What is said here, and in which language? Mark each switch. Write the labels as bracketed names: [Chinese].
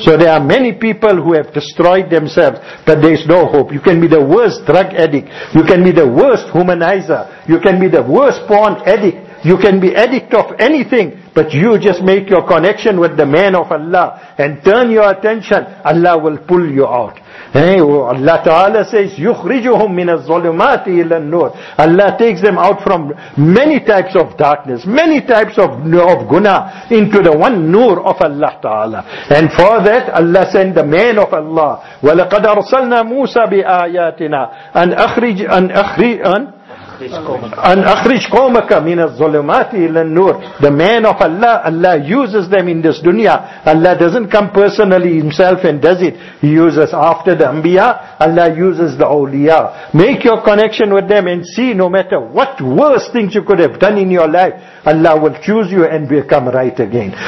[English] So there are many people who have destroyed themselves, but there is no hope. You can be the worst drug addict. You can be the worst humanizer. You can be the worst porn addict. You can be addict of anything, but you just make your connection with the man of Allah and turn your attention, Allah will pull you out. Allah Ta'ala says, [Arabic] يُخْرِجُهُمْ مِنَ الظُّلُمَاتِ إِلَى النُّورِ. [English] Allah takes them out from many types of darkness, many types of guna, into the one nur of Allah Ta'ala. And for that, Allah sent the man of Allah. [Arabic] وَلَقَدْ أَرْسَلْنَا مُوسَى بِآيَاتِنَا أَنْ أَخْرِجْ أَنْ أَخْرِجْ أَنْ An akhrij qawmaka min az-zulumati ila an-nur. [English] The man of Allah, Allah uses them in this dunya. Allah doesn't come personally himself and does it. He uses after the anbiya, Allah uses the awliya. Make your connection with them and see, no matter what worst things you could have done in your life, Allah will choose you and become right again.